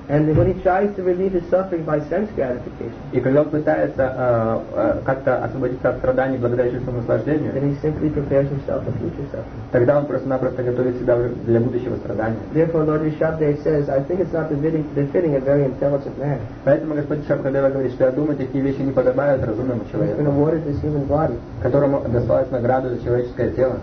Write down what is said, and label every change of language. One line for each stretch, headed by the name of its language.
English: And when he tries to relieve his suffering by sense gratification,
Russian: и когда он пытается как-то освободиться от страданий благодаря чувству наслаждения,
English: then he simply prepares himself for future suffering.
Russian: Тогда он просто-напросто готовит себя для будущего страдания.
English: Therefore, Lord Rishabdev says, I think it's not befitting a very intelligent man.
Russian: Поэтому Господь Шабхадева говорит, что я думаю, такие вещи не подобают разумному человеку.
English: He's been awarded this human body,
Russian: которому досталась награда за человеческое тело.